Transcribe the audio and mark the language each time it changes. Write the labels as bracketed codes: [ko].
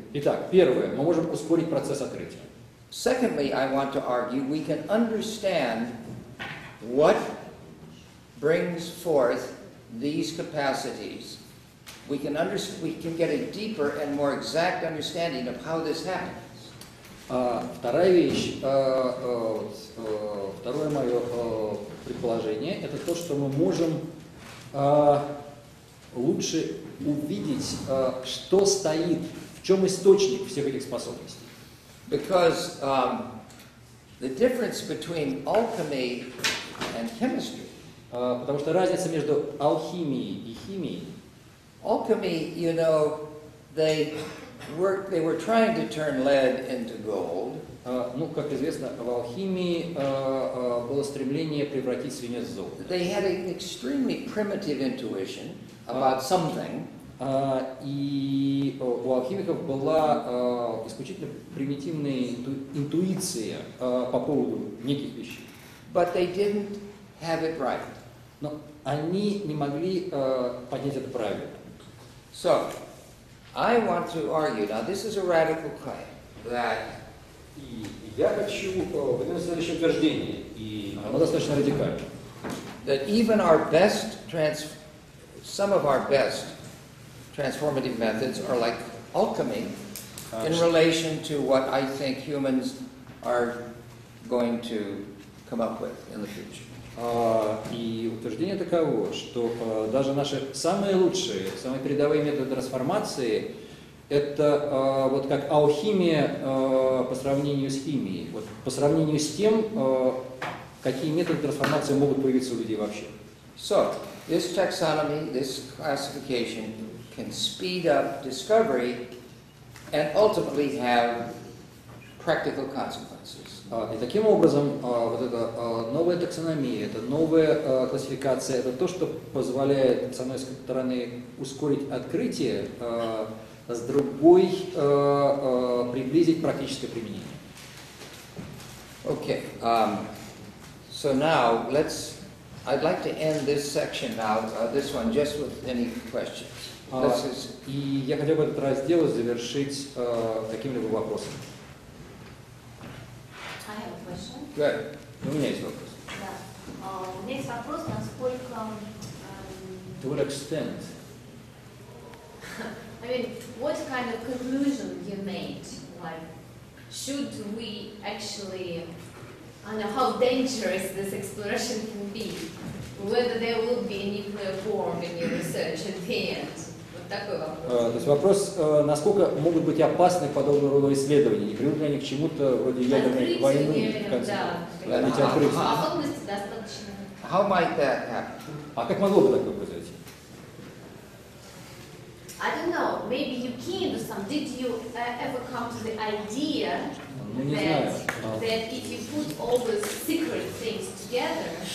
[ru] Итак, первое, мы можем ускорить процесс открытия. [en] Secondly, I want to argue we can understand what brings forth these capacities. We can get a deeper and more exact understanding of how this happens. [ru] Вторая вещь, второе мое предположение, это то, что мы можем лучше увидеть, что стоит, в чем источник всех этих способностей. [en] Because the difference between alchemy and chemistry. [ru] Потому что разница между алхимией и химией. [en] Alchemy, you know, they were trying to turn lead into gold. [ru] Ну, как известно, в алхимии было стремление превратить свинец в золото. [en] They had an extremely primitive intuition about something. [ru] И у алхимиков была исключительно примитивная интуиция по поводу неких вещей. [en] But they didn't have it right. [ru] Но они не могли понять это правильно. [en] So, I want to argue, now this is a radical claim, that... [ru] И я хочу выдвинуть следующее утверждение, и оно достаточно радикально. [en] That even our best some of our best transformative methods are like alchemy in relation to what I think humans are going to come up with in the future. [ru] И утверждение таково, что даже наши самые лучшие, самые передовые методы трансформации это вот как алхимия по сравнению с химией, вот по сравнению с тем, какие методы трансформации могут появиться у людей вообще. [en] So, this taxonomy, this classification can speed up discovery and ultimately have practical consequences. [ru] И таким образом, вот эта новая таксономия, эта новая классификация, это то, что позволяет, с одной стороны, ускорить открытие, с другой, приблизить практическое применение. [en] Okay, so now let's, I'd like to end this section now, this one, just with any questions. [ru] И я хотел бы этот раздел завершить каким-либо вопросом. [en] I have a question. Good. [ru] Ну, у меня есть вопрос. Да. У меня есть вопрос, насколько... [en] To what extent? I mean, what kind of conclusion you made? Like, should we actually, I don't know how dangerous this exploration can be, whether there will be a nuclear bomb in your research at the end? [ru] То есть вопрос, насколько могут быть опасны подобного рода исследования, не приведут ли они к чему-то вроде ядерной войны, в конце концов, эти открытия. А опасности достаточно. [en] How might that happen? [ru] А как могло бы такое произойти? [en] I don't know. Maybe you came to some. Did you ever come to the idea that if you put all those secret things together,